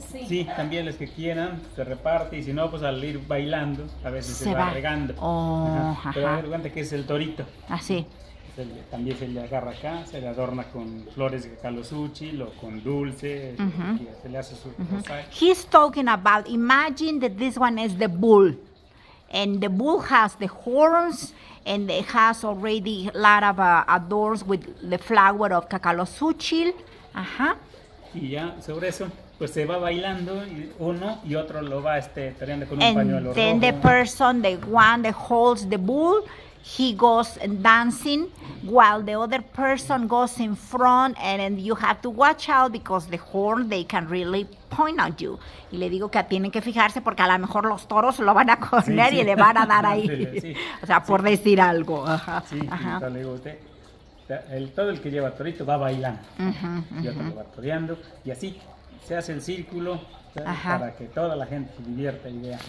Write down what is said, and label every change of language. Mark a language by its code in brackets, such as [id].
[es] Sí, también los que quieran, se reparte, y si no, pues al ir bailando, a veces se va regando. Pero a ver, cuenta que es el torito. Así. También se le agarra acá, se le adorna con flores de calosúchil o con dulce, se le hace su rosario. [en] He's talking about, imagine that this one is the bull, and the bull has the horns, and it has already a lot of adorns with the flower of cacalosuchil. [es] Y ya sobre eso, pues se va bailando uno y otro lo va trayendo con un pañuelo rojo. [en] And then the person, the one that holds the bull, he goes dancing while the other person goes in front, and then you have to watch out because the horn, they can really point at you. [es] Y le digo que tienen que fijarse porque a lo mejor los toros lo van a comer, sí, sí. Y le van a dar ahí. Sí, sí. O sea, por decir algo. Sí, le digo a usted, todo el que lleva torito va bailando. Y otro va toreando. Y así se hace el círculo. Para que toda la gente se divierta y vea.